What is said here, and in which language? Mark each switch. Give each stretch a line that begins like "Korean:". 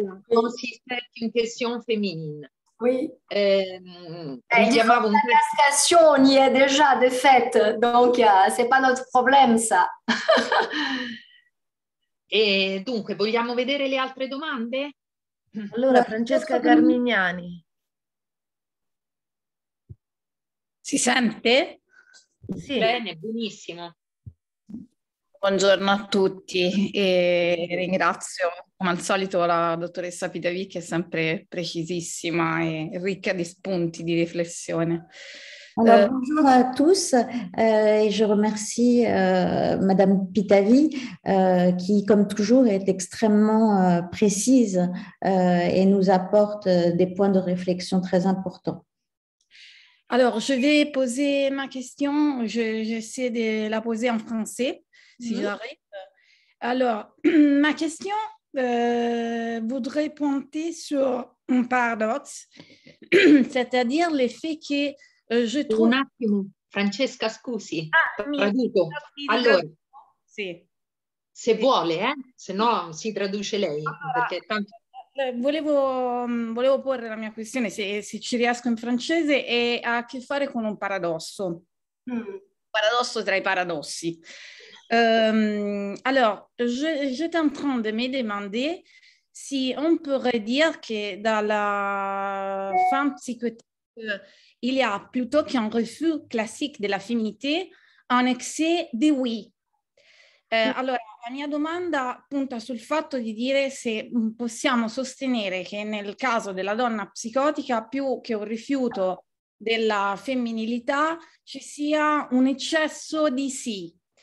French: Donc, c'est une question féminine. Oui, la castration, on y est déjà, de fait, donc c'est pas notre problème, ça.
Italian: E dunque, vogliamo vedere le altre domande? Allora, Francesca Carmignani. Si sente? Sì. Bene, benissimo. Buongiorno a tutti e ringrazio come al solito la dottoressa Pitavì, che è sempre precisissima e ricca di spunti di riflessione.
French: Alors, bonjour à tous et je remercie Madame Pitavì qui, comme toujours, est extrêmement précise et nous apporte des points de réflexion très importants. Alors, je vais poser ma question, j'essaie de la poser en français. Si j'arrive. Alors, ma question voudrait pointer sur un paradoxe, c'est-à-dire le fait que je trouve...
Italian: Un attimo, Francesca, scusi. Traduco. Allora, se vuole, se no si traduce lei, perché tanto... volevo porre la mia questione, se ci riesco in francese, e ha a che fare con un paradosso. Paradosso tra i paradossi.
French: Alors, j'étais en train de me demander si on pourrait dire
Italian: che dalla
French: femme psychotique, il y a plutôt qu'un refus classique de la féminité, un excès de oui.
Italian: Allora, la mia domanda punta sul fatto di dire se possiamo sostenere che nel caso della donna psicotica, più che un rifiuto della femminilità, ci sia un eccesso di sì.